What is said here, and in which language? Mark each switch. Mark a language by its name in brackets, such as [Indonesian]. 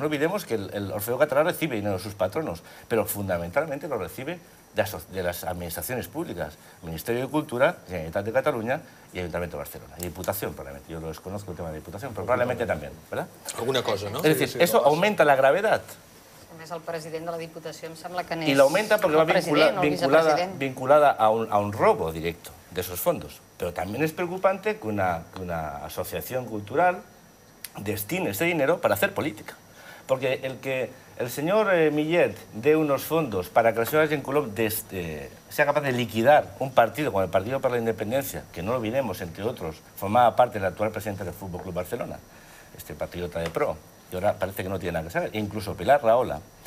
[Spanish] No olvidemos que el Orfeo Català recibe dinero de sus patronos, pero fundamentalmente lo recibe de las administraciones públicas, Ministerio de Cultura, Generalitat de Cataluña y Ayuntamiento de Barcelona. Y Diputación, probablemente. Yo lo desconozco el tema de Diputación, pero probablemente también, ¿verdad? Alguna cosa, ¿no? Es decir, eso aumenta la gravedad. [Catalan] Es el president de la Diputació, em sembla que n'és... I l'augmenta perquè va vinculada a un [Spanish] robo directo [Catalan] d'aquests fons. Però també és preocupant que una associació cultural destine aquest diner per fer política. [Spanish] Porque el que el señor Millet dé unos fondos para que la señora Gencolom sea capaz de liquidar un partido como el Partido para la Independencia, que no lo olvidemos, entre otros, formaba parte del actual presidente del Fútbol Club Barcelona, este patriota de pro, y ahora parece que no tiene nada que saber, incluso Pilar Rahola.